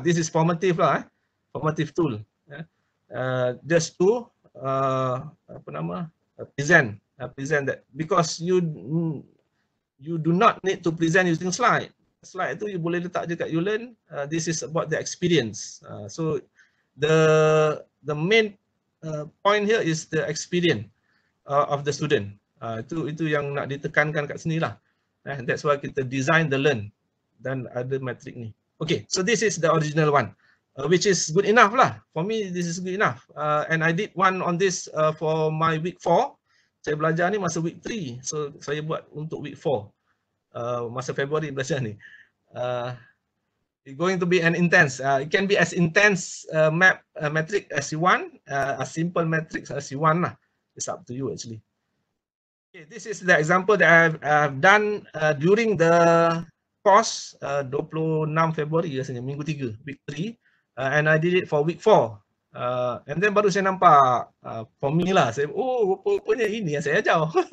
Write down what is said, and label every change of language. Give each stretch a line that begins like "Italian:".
English: This is formative lah, formative tool. Just to present that, because you do not need to present using slide. Slide tu you
Malay: boleh letak je kat
English: ULearn. This is about the experience. So the main point here is the experience of the student.
Malay: Itu yang nak ditekankan kat sini lah.
English: That's why kita design the learn
Malay: dan ada
English: metric ni. Okay, so this is the original one, which is good enough lah. For me, this is good enough. And I did one on this for my week 4.
Malay: Saya belajar ni masa week 3. So saya buat untuk week 4. Masa Februari belajar ni.
English: It's going to be an intense. It can be as intense metric as you want, as simple metric as you want lah. It's up to you actually. Okay, this is the example that I've done during the course 26 Februari,
Malay: biasanya minggu 3,
English: week 3, and I did it for week 4. And then
Malay: baru saya nampak,
English: for me
Malay: lah, saya, rupanya ini yang saya ajar.